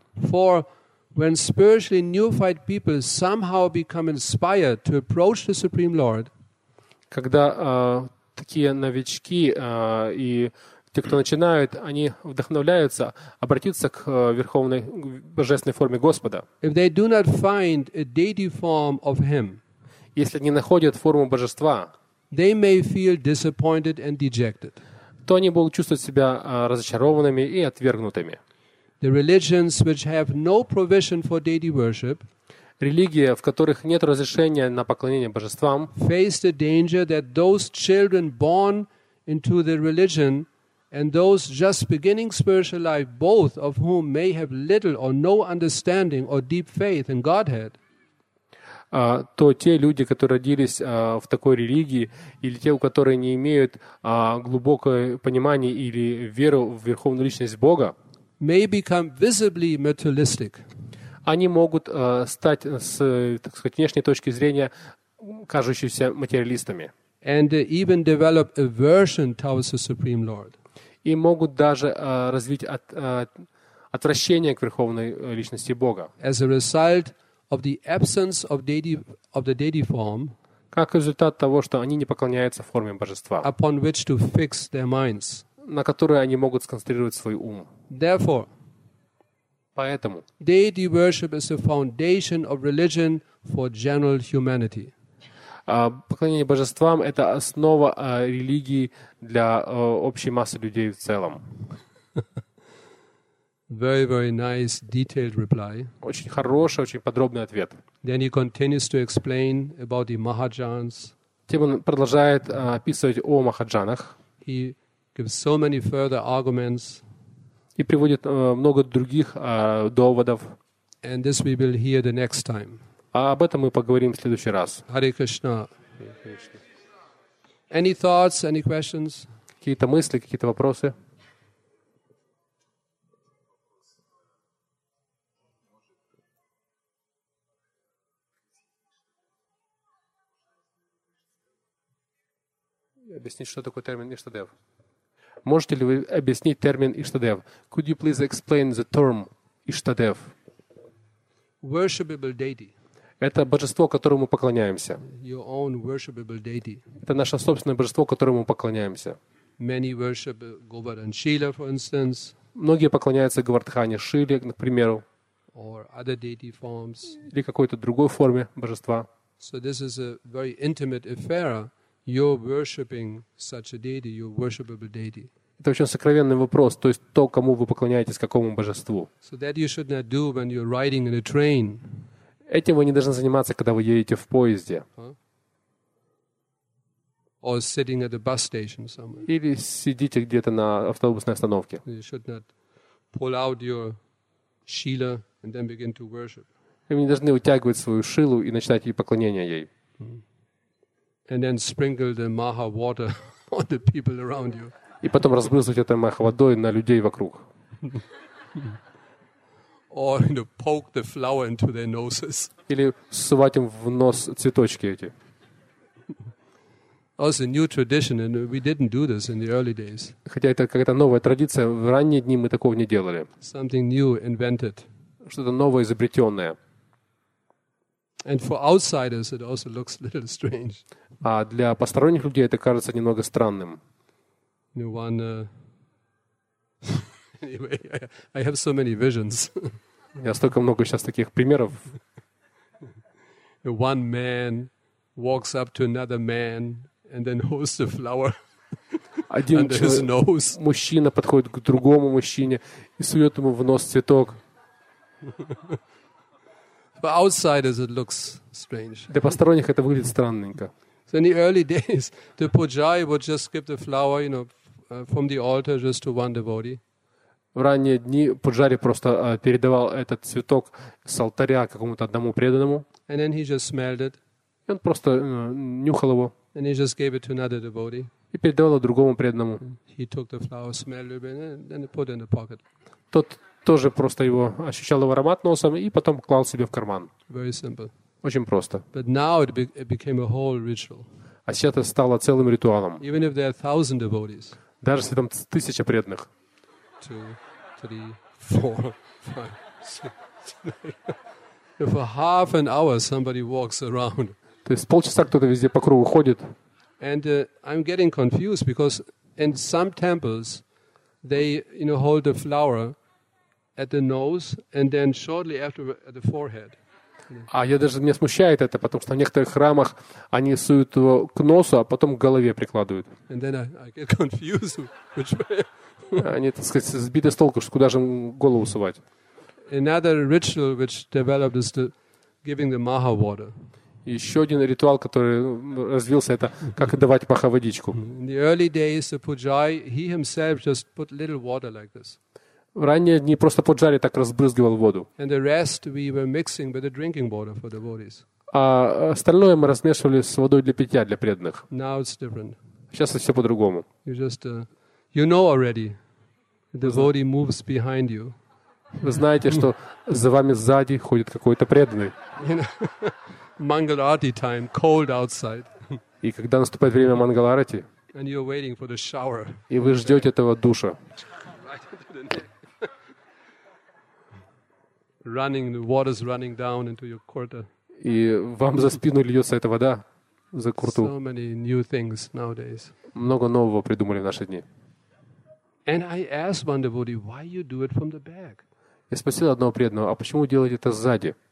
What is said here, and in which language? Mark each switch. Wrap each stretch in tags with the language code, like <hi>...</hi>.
<en>For when spiritually neophyte people somehow become inspired to approach the Supreme Lord,</en> <ru>когда такие новички и те, кто начинают, они вдохновляются обратиться к верховной божественной форме Господа.</ru> <en>If they do not find a deity form of Him,</en> <ru>если не находят форму божества,</ru> <en>they may feel disappointed and dejected.</en> <ru>То они будут чувствовать себя разочарованными и отвергнутыми.</ru> <en>The religions which have no provision for deity worship,</en> <ru>религии, в которых нет разрешения на поклонение божествам,</ru> <en>face the danger that those children born into the religion and those just beginning spiritual life, both of whom may have little or no understanding or deep faith in Godhead.</en> <ru>То те люди, которые родились в такой религии, или те, у которых не имеют глубокое понимание или веру в верховную личность Бога,</ru> <en>may become visibly materialistic.</en> <ru>Они могут стать с, так сказать, внешней точки зрения кажущимися материалистами.</ru> <en>And even develop aversion towards the Supreme Lord.</en> <ru>И могут даже развить отвращение к верховной личности Бога.</ru> <en>As a result of the absence of deity, of the deity form,</en> <ru>как результат того, что они не поклоняются форме божества,</ru> <en>upon which to fix their minds,</en> <ru>на которую они могут сконцентрировать свой ум.</ru> <en>Therefore,</en> <ru>поэтому</ru> <en>deity worship is the foundation of religion for general humanity.</en> <ru>Поклонение божествам — это основа религии для общей массы людей в целом.</ru> <en>Very, very nice, detailed reply.</en> <ru>Очень хороший, очень подробный ответ.</ru> <en>Then he continues to explain about the Mahajans.</en> <ru>Тем он продолжает описывать о Махаджанах.</ru> <en>He gives so many further arguments.</en> <ru>И приводит много других доводов.</ru> <en>And this we will hear the next time.</en> <ru>А об этом мы поговорим в следующий раз.</ru> <en>Hare Krishna. Any thoughts, any questions?</en> <ru>Какие-то мысли, какие-то вопросы? Объяснить, что такое термин Иштадев. Можете ли вы объяснить термин Иштадев?</ru> <en>Could you please explain the term Иштадев? Worshipable deity.</en> <ru>Это божество, которому мы поклоняемся.</ru> <en>Your own worshipable deity.</en> <ru>Это наше собственное божество, которому мы поклоняемся.</ru> <en>Many worship Govardhan Shila, for instance.</en> <ru>Многие поклоняются Говардхане Шиле, к примеру.</ru> <en>Or other deity forms.</en> <ru>Или какой-то другой форме божества.</ru> <en>So this is a very intimate affair. You're worshiping such a deity, your worshipable deity.</en> <ru>Это очень сокровенный вопрос, то есть то, кому вы поклоняетесь, какому божеству.</ru> <en>So that you should not do when you're riding in a train.</en> <ru>Этим вы не должны заниматься, когда вы едете в поезде.</ru> <en>Or sitting at the bus station somewhere.</en> <ru>Или сидите где-то на автобусной остановке.</ru> <en>You should not pull out your shila and then begin to worship.</en> <ru>Вы не должны утягивать свою шилу и начинать поклонение ей.</ru> <en>And then sprinkle the maha water on the people around you.</en> <ru>И потом разбрызгивать этой маха водой на людей вокруг.</ru> <en>Or you know, poke the flower into their noses.</en> <ru>Или сувать им в нос цветочки эти.</ru> <en>Also a new tradition, and we didn't do this in the early days.</en> <ru>Хотя это какая-то новая традиция, в ранние дни мы такого не делали.</ru> <en>Something new invented.</en> <ru>Что-то новое изобретенное.</ru> <en>And for outsiders, it also looks a little strange.</en> <ru>А для посторонних людей это кажется немного странным.</ru> <en>You know, one, anyway, I have so many visions.</en> <ru>Я столько много сейчас таких примеров.</ru> <en>One man walks up to another man and then holds the flower under his nose.</en> <ru>Мужчина подходит к другому мужчине и сует ему в нос цветок.</ru> <en>For outsiders, it looks strange.</en> <ru>Для посторонних это выглядит странненько.</ru> <en>So in the early days, the pujari would just skip the flower, you know, from the altar just to one devotee.</en> <ru>В ранние дни пуджари просто передавал этот цветок с алтаря какому-то одному преданному.</ru> <en>And then he just smelled it.</en> <ru>И он просто нюхал его.</ru> <en>And he just gave it to another devotee.</en> <ru>И передавал его другому преданному.</ru> <en>He took the flower, smelled it, and then put it in the pocket.</en> <ru>Тот тоже просто его ощущал его аромат носом и потом клал себе в карман.</ru> <en>Very simple.</en> <ru>Очень просто.</ru> <en>But now it became a whole ritual.</en> <ru>А сейчас это стало целым ритуалом.</ru> <en>Even if there are 1,000 devotees.</en> <ru>Даже если там 1,000 преданных.</ru> <en>two, three, four, five, six. If for half an hour somebody walks around.</en> <ru>То есть полчаса кто-то везде по кругу ходит.</ru> <en>And I'm getting confused because in some temples they, you know, hold a flower at the nose and then shortly after at the forehead.</en> <ru>А я даже меня смущает это, потому что в некоторых храмах они суют его к носу, а потом к голове прикладывают.</ru> <en>And then I get confused which way.</en> <ru>Они, так сказать, сбиты с толку, что куда же им голову сувать.</ru> <en>Another ritual which developed is the giving the maha water.</en> <ru>Еще один ритуал, который развился, это как давать маха водичку.</ru> <en>In the early days, the pujari, he himself just put little water like this.</en> <ru>В ранние дни просто пуджари так разбрызгивал воду.</ru> <en>And the rest we were mixing with the drinking water for the devotees.</en> <ru>А остальное мы размешивали с водой для питья для преданных.</ru> <en>Now it's different.</en> <ru>Сейчас это все по-другому.</ru> <en>You just, you know already, the devotee moves behind you.</en> <ru>Вы знаете, что за вами сзади ходит какой-то преданный.</ru> <en>You know, Mangal Arati time, cold outside.</en> <ru>И когда наступает время Мангал Арати,</ru> <en>and you're waiting for the shower.</en> <ru>И вы ждете этого душа.</ru> <en>Running, the water's running down into your kurta.</en> <ru>И вам за спину льется эта вода за курту.</ru> <en>So many new things nowadays.</en> <ru>Много нового придумали в наши дни.</ru> <en>And I asked one devotee, why you do it from the back?</en> <ru>Я спросил одного преданного, а почему вы делаете это сзади?</ru>